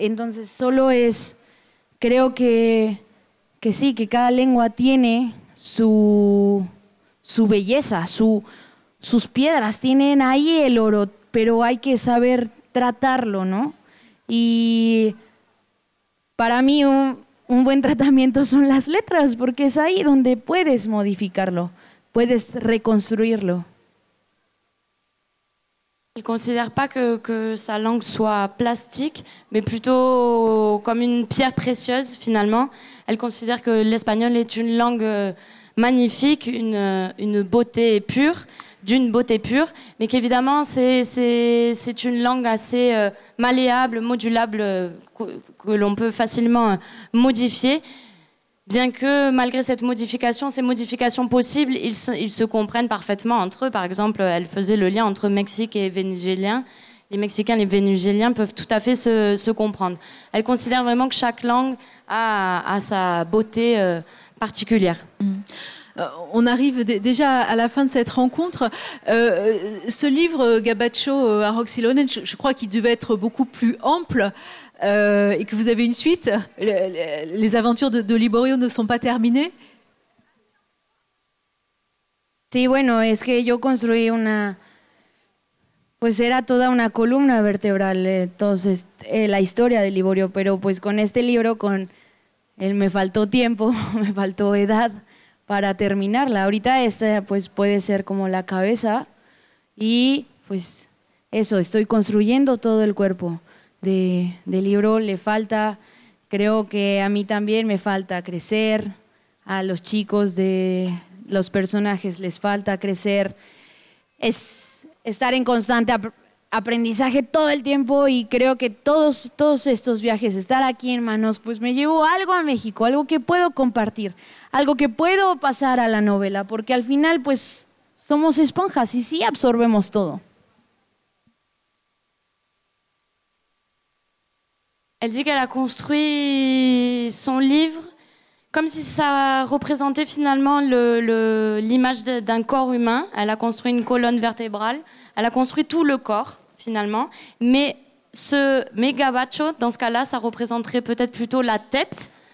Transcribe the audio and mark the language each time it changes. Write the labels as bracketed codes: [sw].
[es] Entonces solo es, creo que sí, que cada lengua tiene su belleza, sus piedras tienen ahí el oro, pero hay que saber tratarlo, ¿no? Y para mí un buen tratamiento son las letras, porque es ahí donde puedes modificarlo, puedes reconstruirlo. [fr] Il considère pas que sa langue soit plastique, mais plutôt comme une pierre précieuse finalement. Elle considère que l'espagnol est une langue magnifique, une beauté pure. D'une beauté pure, mais qu'évidemment c'est une langue assez malléable, modulable, que l'on peut facilement modifier. Bien que malgré cette modification, ces modifications possibles, ils se comprennent parfaitement entre eux. Par exemple, elle faisait le lien entre Mexique et Vénézuélien. Les Mexicains et les Vénézuéliens peuvent tout à fait se comprendre. Elle considère vraiment que chaque langue a sa beauté particulière. On arrive déjà à la fin de cette rencontre. Ce livre, Gabacho Aroxilonen, je crois qu'il devait être beaucoup plus ample et que vous avez une suite. Les aventures de Liborio ne sont pas terminées. [es] Sí, bueno, es que yo construí una, pues era toda una columna vertebral, entonces la historia de Liborio, pero pues con este libro, con él me faltó tiempo, me faltó edad. Para terminarla. Ahorita esta pues puede ser como la cabeza y pues eso, estoy construyendo todo el cuerpo de libro, le falta, creo que a mí también me falta crecer, a los chicos de los personajes les falta crecer, es estar en constante aprendizaje todo el tiempo y creo que todos estos viajes, estar aquí en Manos, pues me llevo algo a México, algo que puedo compartir, algo que puedo pasar a la novela, porque al final pues somos esponjas y sí absorbemos todo. [fr] Elle dit qu'elle a construit son livre comme si ça représentait finalement l'image d'un corps humain. Elle a construit une colonne vertébrale, elle a construit tout le corps finalement, mais ce Megabacho, dans ce cas-là, ça représenterait peut-être plutôt la tête.